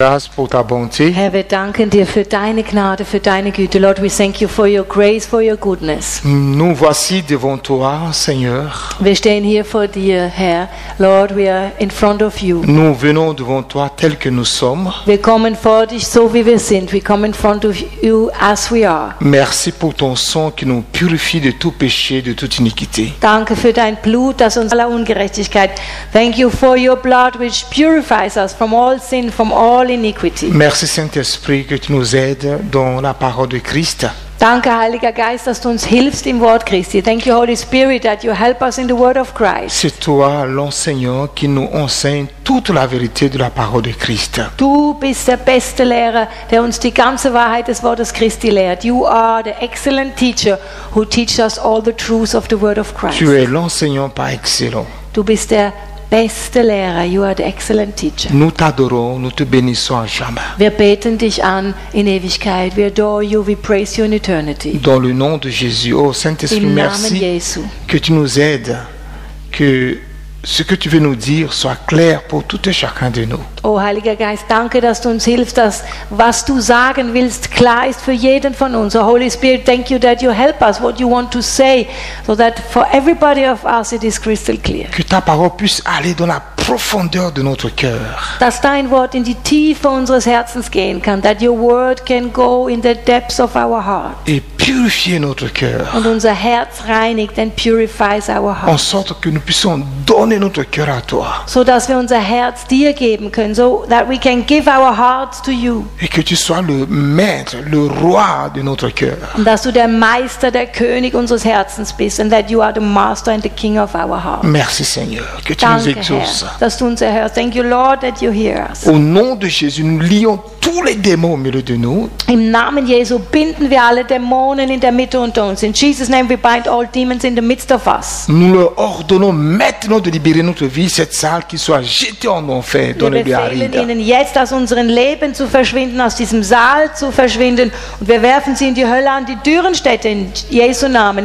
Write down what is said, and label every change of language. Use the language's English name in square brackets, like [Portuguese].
[German] Herr, wir danken dir für deine Gnade, für deine Güte. [English] Lord, we thank you for your grace, for your goodness. [French] Nous voici devant toi, Seigneur. [German] Wir stehen hier vor dir, Herr. [English] Lord, we are in front of you. [French] Nous venons devant toi tel que nous sommes. [German] Wir kommen vor dich so wie wir sind. [English] We come in front of you as we are. [French] Merci pour ton sang qui nous purifie de tout péché, de toute iniquité. [German] Danke für dein Blut, das uns aller Ungerechtigkeit. [English] Thank you for your blood which purifies us from all sin, from all iniquity. [French] Merci Saint-Esprit que tu nous aides dans la parole de Christ. [German] Danke Heiliger Geist, dass du uns hilfst im Wort Christi. [English] Thank you Holy Spirit that you help us in the word of Christ. [French] C'est toi l'enseignant qui nous enseigne toute la vérité de la parole de Christ. [German] Du bist der beste Lehrer, der uns die ganze Wahrheit des Wortes Christi lehrt. [English] You are the excellent teacher who teaches us all the truths of the word of Christ. [French] Tu es l'enseignant par excellence. [German] Du bist der beste Lehrer, [English] you are the excellent teacher. [French] Nous t'adorons, nous te bénissons à jamais. [German] Wir beten dich an in Ewigkeit. [English] We adore you, we praise you in eternity. [French] Dans le nom de Jésus, oh Saint-Esprit, merci que tu nous aides, que ce que tu veux nous dire soit clair pour tout et chacun de nous. [German] Oh Heiliger Geist, danke, dass du uns hilfst, dass was du sagen willst klar ist für jeden von uns. [English] Oh Holy Spirit, thank you that you help us what you want to say, so that for everybody of us it is crystal clear. [French] Que ta parole puisse aller dans la profondeur de notre cœur. [German] Dass dein Wort in die Tiefe unseres Herzens gehen kann. [English] That your word can go in the depths of our heart. [French] Et purifier notre cœur. [German] Und unser Herz reinigt [English] and purifies our heart. [French] En sorte que nous puissions donner notre cœur à toi. [German] So dass wir unser Herz dir geben können. [English] So that we can give our hearts to you. [French] Et que tu sois le maître, le roi de notre cœur. [German] Und dass du der Meister, der König unseres Herzens bist. [English] And that you are the master and the king of our heart. [French] Merci Seigneur, que tu [German] Danke, [French] nous exauces. [German] Dass du uns erhörst. [English] Thank you, Lord, that you hear us. [French] Au nom de Jésus, nous lions tous les démons au milieu de nous. [German] Im Namen Jesu binden wir alle Dämonen in der Mitte unter uns. [English] In Jesus' name, we bind all demons in the midst of us. [French] Nous leur ordonnons maintenant de libérer notre vie, cette salle, qu'ils soient jetés en enfer, dans les lieux arides. [German] Wir befehlen ihnen jetzt, aus unserem Leben zu verschwinden, aus diesem Saal zu verschwinden, und wir werfen sie in die Hölle, an die Dürrenstätte, in Jesu Namen.